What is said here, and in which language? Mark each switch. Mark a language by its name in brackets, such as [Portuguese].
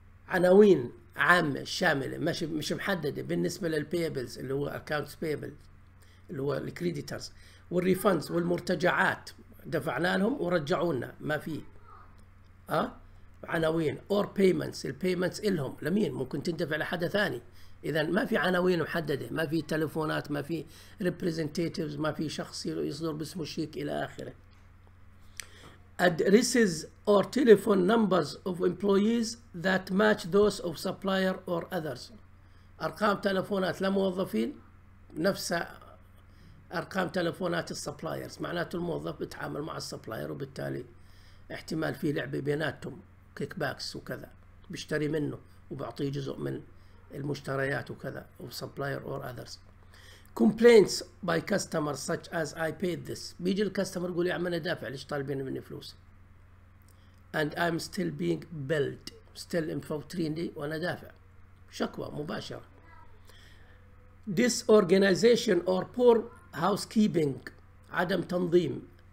[Arabic] عناوين عامة شاملة مش محددة بالنسبة للبيبلز اللي هو accounts payable اللي هو الكريديترز والريفاندز والمرتجعات، دفعنا لهم ورجعوا لنا ما فيه. عناوين اور بيمنتس، البيمنتس الهم لمين؟ ممكن تندفع لحد ثاني. اذا ما في عناوين محدده، ما في تلفونات، ما في ريبريزنتيتيفز، ما في شخص يصدر باسمه الشيك الى اخره. [English] Addresses or telephone numbers of employees that match those of supplier or others. [Arabic] أرقام تلفونات لموظفين نفس أرقام تلفونات السبلايرز، معناته الموظف بتعامل مع السبلاير وبالتالي احتمال فيه لعبة بيناتهم كيك باكس وكذا، بيشتري منه وبعطيه جزء من المشتريات وكذا [English] of supplier or others. Complaints by customers such as I paid this. [Arabic] بيجي الكاستمر يقول يا عم انا دافع، ليش طالبين مني فلوس؟ [English] And I'm still being billed. Still in [Arabic] فوتريني وانا دافع. شكوى مباشرة. [English] Disorganization or poor housekeeping. [Arabic] عدم تنظيم.